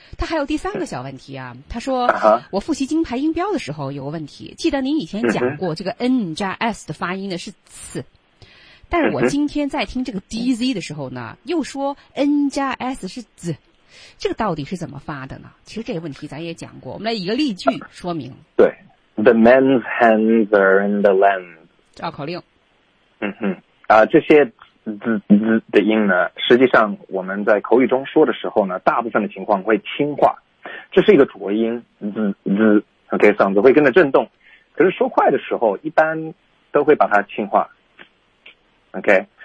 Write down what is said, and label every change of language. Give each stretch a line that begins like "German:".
Chinese: 他还有第三个小问题啊，他说我复习金牌音标的时候有个问题，记得您以前讲过这个 N 加 S 的发音呢是次，但是我今天在听这个 DZ 的时候呢又说 N 加 S 是子，这个到底是怎么发的呢？其实这个问题咱也讲过，我们来一个例句说明。对，
English: The men's hands are in the land，
Chinese: 绕口令。这些滋滋的音呢，实际上我们在口语中说的时候呢，大部分的情况会轻化，这是一个浊音，滋滋 ，OK， 嗓子会跟着震动。可是说快的时候，一般都会把它轻化 ，OK。